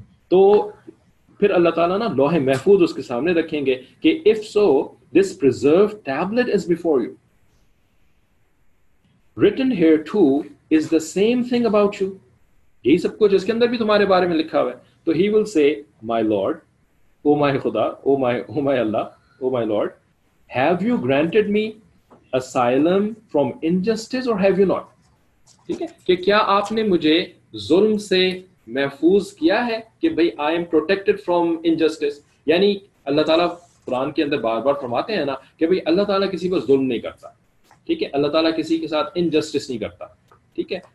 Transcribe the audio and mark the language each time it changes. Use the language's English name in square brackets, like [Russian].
[Hindi] तो फिर अल्लाह ताला ना लौहे महफूज उसके सामने रखेंगे कि [English] if so this preserve tablet is before you, written here too is the same thing about you, [Hindi] यही सब कुछ इसके अंदर भी तुम्हारे बारे में लिखा हुआ है. [English] तो he will say my lord, O my Khuda, O my Allah, O my Lord, have you granted me asylum from injustice or have you not? [Hindi] ठीक है, कि क्या आपने मुझे जुल्म से महफूज किया है कि भाई [English] I am protected from injustice. [Hindi] यानी अल्लाह ताला कुरान के अंदर बार बार फरमाते हैं ना कि भाई अल्लाह ताला किसी पर जुल्म नहीं करता, ठीक है, अल्लाह ताला किसी के साथ इनजस्टिस नहीं करता, ठीक है.